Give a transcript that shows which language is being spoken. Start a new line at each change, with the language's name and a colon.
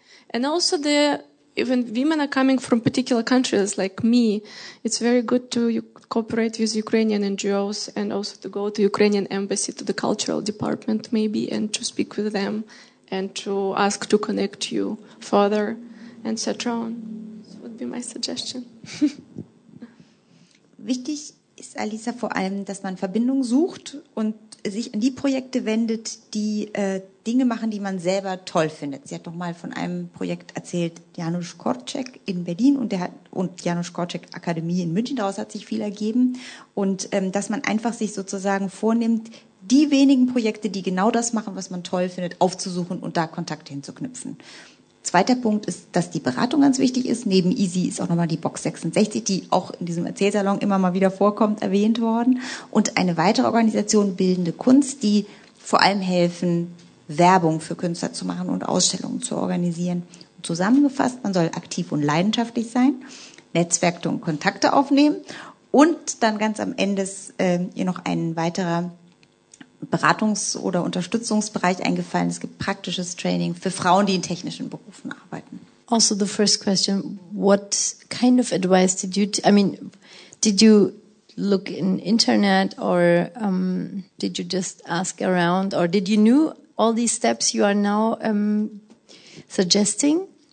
English: And also even women are coming from particular countries like me, it's very good to cooperate with Ukrainian NGOs and also to go to Ukrainian embassy, to the cultural department maybe, and to speak with them. And to ask to connect you further, etc. This would be my suggestion.
German: Wichtig ist, Alisa, vor allem, dass man Verbindung sucht und sich an die Projekte wendet, die Dinge machen, die man selber toll findet. Sie hat noch mal von einem Projekt erzählt, Janusz Korczak in Berlin und Janusz Korczak Akademie in München. Daraus hat sich viel ergeben. Und dass man einfach sich sozusagen vornimmt, die wenigen Projekte, die genau das machen, was man toll findet, aufzusuchen und da Kontakte hinzuknüpfen. Zweiter Punkt ist, dass die Beratung ganz wichtig ist. Neben Easy ist auch nochmal die Box 66, die auch in diesem Erzählsalon immer mal wieder vorkommt, erwähnt worden. Und eine weitere Organisation, Bildende Kunst, die vor allem helfen, Werbung für Künstler zu machen und Ausstellungen zu organisieren. zusammengefasst, man soll aktiv und leidenschaftlich sein, Netzwerke und Kontakte aufnehmen und dann ganz am Ende ist ihr noch ein weiterer Beratungs- oder Unterstützungsbereich eingefallen. Es gibt praktisches Training für Frauen, die in technischen Berufen arbeiten.
English: Also the first question, what kind of advice did you look in internet or did you just ask around or did you knew all these steps you are now suggesting?